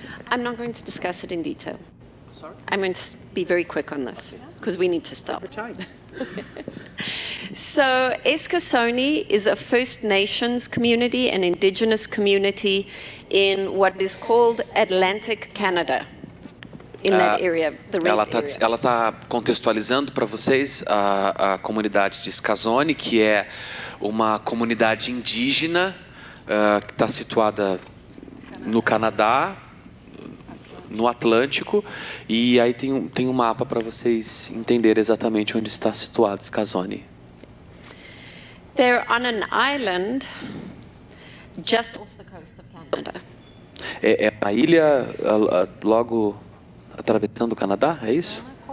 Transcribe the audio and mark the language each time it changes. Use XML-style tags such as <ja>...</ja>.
<en>I'm not going to discuss it in detail. I'm going to be very quick on this because we need to stop. So, Escazone is a First Nations community, an indigenous community in what is called Atlantic Canada, in that area, the red area.</en> <pt>Ela está contextualizando para vocês a comunidade de Escazone, que é uma comunidade indígena que está situada no Canadá, no Atlântico, e aí tem um mapa para vocês entenderem exatamente onde está situado Escazone.</pt> <en>They're on an island just off the coast of Canada.</en> <pt>É a ilha logo atravessando o Canadá, é isso?</pt>